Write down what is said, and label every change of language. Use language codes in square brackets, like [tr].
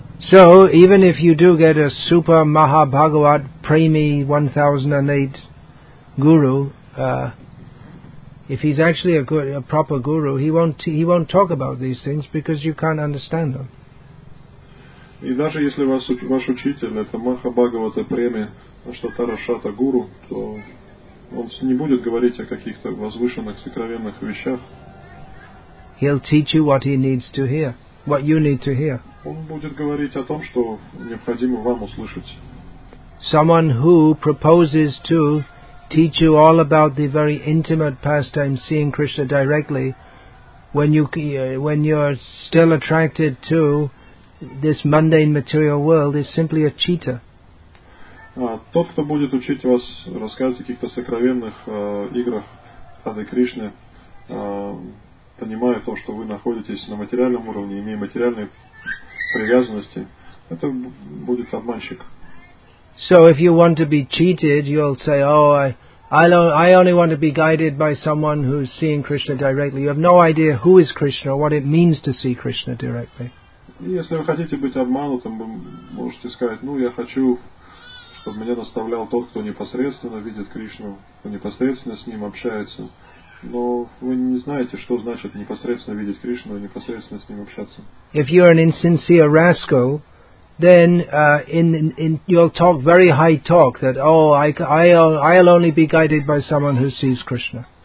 [en] So, even if you do get a super Mahabhagavat Premi 1008 guru, if he's actually a proper guru, he won't talk about these things because you can't understand them. [ru] И даже если ваш учитель это Махабхагавата Преми, Аштатарашата Гуру, то он не будет говорить о каких-то возвышенных, сокровенных вещах. [en] He'll teach you what he needs to hear, what you need to hear. [ru] Он будет говорить о том, что необходимо вам услышать. [en] Someone who proposes to teach you all about the very intimate pastime seeing Krishna directly when you're still attracted to this mundane material world is simply a cheater. [ru] Тот, кто будет учить вас рассказывать о каких-то сокровенных играх Рады Кришны, понимая то, что вы находитесь на материальном уровне, имея материальные привязанности, это будет обманщик. [en] So if you want to be cheated, you'll say, oh, I only want to be guided by someone who's seeing Krishna directly. You have no idea who is Krishna or what it means to see Krishna directly. [ru] Если вы хотите быть обманутым, вы можете сказать, ну, я хочу, чтобы меня наставлял тот, кто непосредственно видит Кришну, кто непосредственно с ним общается. Но вы не знаете, что значит непосредственно видеть Кришну и непосредственно с ним общаться. [en] If you're an insincere rascal, then in you'll talk very high talk that, oh, I'll only be guided by someone who sees Krishna.